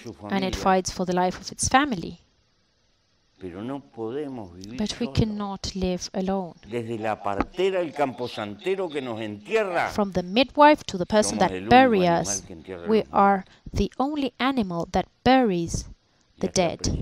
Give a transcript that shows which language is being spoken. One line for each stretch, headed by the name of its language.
English: And it fights for the life of its family.
Spanish: Pero no podemos vivir
English: but we
Spanish: solo.
English: Cannot live alone.
Spanish: Desde la partera, el camposantero que nos entierra,
English: from the midwife to the person that buries us, we are the only animal that buries the dead.